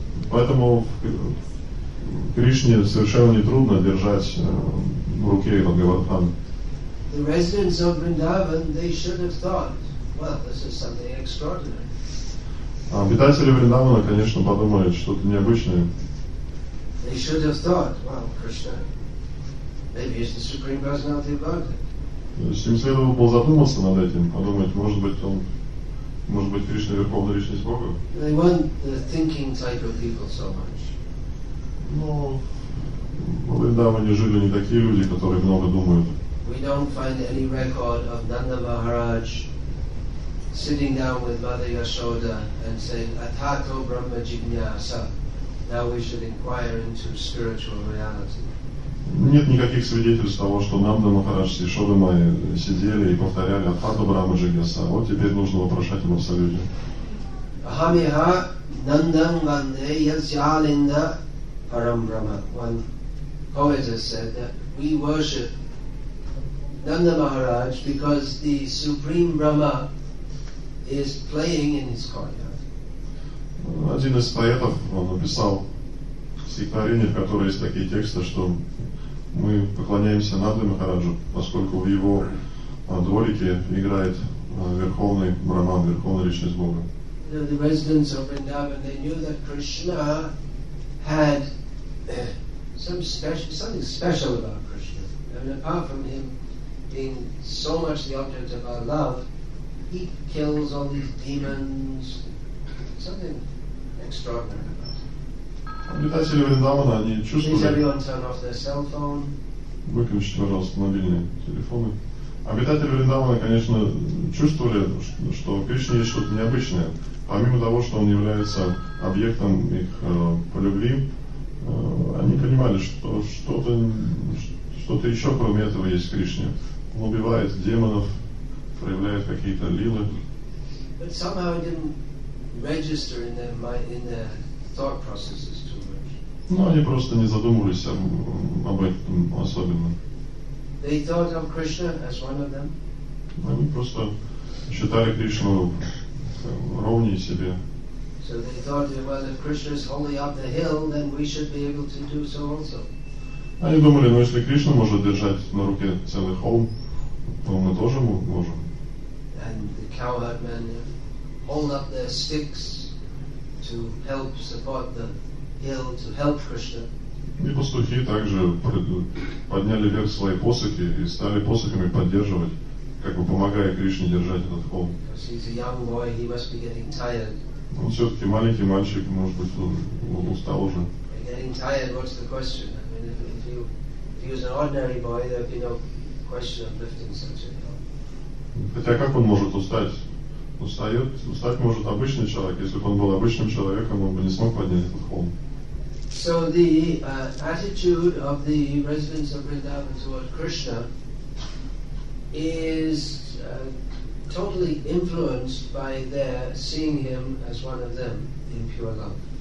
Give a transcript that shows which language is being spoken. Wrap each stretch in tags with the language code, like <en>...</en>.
<ru>Поэтому Кришне совершенно не трудно держать в руке этот Говардхан.</ru> <en>The residents of Vrindavan, they should have thought, well, this is something extraordinary.</en> <ru>Обитатели Вриндавана, конечно, подумали что-то необычное.</ru> <en>They should have thought, well, Krishna, maybe he's the supreme personality of Godhead.</en> <ru>То есть им следовало бы задуматься над этим, подумать, может быть, Кришна верховная личность Бога.</ru> <en>They weren't the thinking type of people so much.</en> <ru>Ну, Вриндаване жили не такие люди, которые много думают.</ru> <en>We don't find any record of Nanda Maharaj sitting down with Mother Yashoda and saying,</en> <sa>Atato Brahma Jignyasa.</sa> <en>Now we should inquire into spiritual reality.</en> <ru>Нет никаких свидетельств того, что Нанда Махарадж и Шода Майя сидели и повторяли</ru> <sa>Атхату Брама Джигьяса.</sa> <ru>Вот теперь нужно вопрошать в Абсолюте.</ru> <sa>Ахамиха Нандам Ванде Ясьялинда Парам Брама.</sa> <en>One poet has said that we worship Нанда Махарадж because the Supreme Brahma is playing in his courtyard.</en> <ru>Один из поэтов написал стихотворение, в котором есть такие тексты, что Мы поклоняемся Нанда Махараджу, поскольку в его дворике играет Верховный Брахман, Верховная Личность Бога.</ru> <en>The residents of Vrindavan, they knew that Krishna had something special about Krishna. And apart from him being so much the object of our love, he kills all these demons. Something extraordinary about him.</en> <ru>Обитатели Вриндавана, они чувствовали...</ru> <en>Please everyone turn off their cell phone.</en> <ru>Выключите, пожалуйста, мобильные телефоны. Обитатели Вриндавана, конечно, чувствовали, что в Кришне есть что-то необычное. Помимо того, что он является объектом их любви, они понимали, что что-то еще кроме этого есть в Кришне. Он убивает демонов, проявляет какие-то лилы.</ru> <en>But somehow it didn't register in their mind, in their thought processes too much.</en> <ru>Но они просто не задумывались об этом особенно.</ru> <en>They thought of Krishna as one of them.</en> <ru>Они просто считали Кришну ровнее себе.</ru> <en>So they thought, well, if Krishna is holy up the hill, then we should be able to do so also.</en> <ru>Они думали, ну если Кришна может держать на руке целый холм, то мы тоже можем.</ru> <en>And the cowherd men hold up their sticks to help support the hill, to help Krishna.</en> <ru>И пастухи также подняли вверх свои посохи и стали посохами поддерживать, как бы помогая Кришне держать этот холм.</ru> <en>He's a young boy, he must be getting tired.</en> <ru>Он все-таки маленький мальчик, может быть, он устал уже.</ru> <en>Getting tired, what's the question? I mean, if he was an ordinary boy, there'd be no question of lifting such a hill.</en> <ru>Хотя как он может устать? Устать может обычный человек. Если бы он был обычным человеком, он бы не смог поднять этот холм.</ru> <en>So the attitude of the residents of Vrindavan toward Krishna is totally influenced by their seeing him as one of them in pure love.</en>